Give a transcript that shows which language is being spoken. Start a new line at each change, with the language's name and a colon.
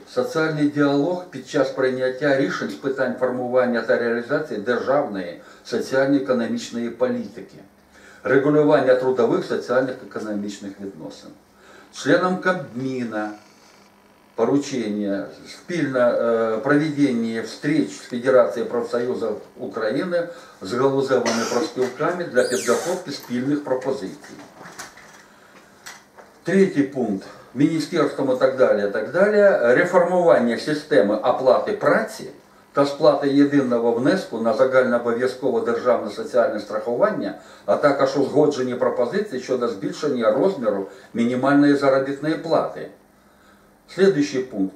Ukrainian: Соціальний діалог під час прийняття рішень з питань формування та реалізації державної соціально-економічної політики. Регулювання трудових соціально-економічних відносин.
Russian: членом Кабмина поручение
Ukrainian: спильно
Russian: проведение встреч с Федерацией профсоюзов Украины с
Ukrainian: галузевыми профспілками
Russian: для подготовки
Ukrainian: спильных пропозиций.
Russian: Третий пункт.
Ukrainian: Міністерством і так далі, так далі, реформування системи оплати праці та сплати єдиного внеску на загальнообов'язкове державне соціальне страхування, а також узгоджені пропозиції щодо збільшення розміру мінімальної заробітної плати.
Russian: Следующий пункт.